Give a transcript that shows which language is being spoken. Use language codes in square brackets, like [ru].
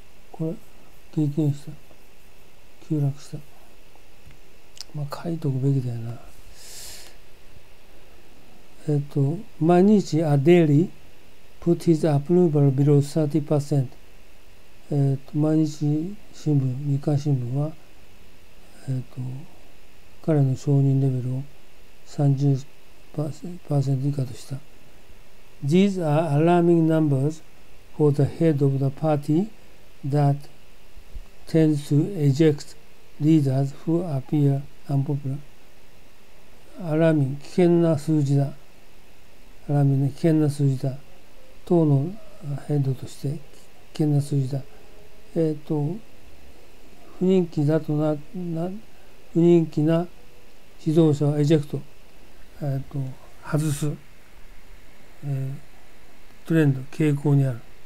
[ja] これ、経験した。急落した。まあ、書いとくべきだよな。毎日、 [en] a daily put his approval below 30%。 [ja] 毎日新聞、日刊新聞は、彼の承認レベルを30%以下とした。 [en] These are alarming numbers for the head of the party that tends to eject leaders who appear unpopular。 [ja] Alarming、 危険な数字だ。アラーミング、危険な数字だ。党のヘッドとして危険な数字だ。不人気だとな、な、不人気な指導者をエジェクト、外す、トレンド、傾向にある。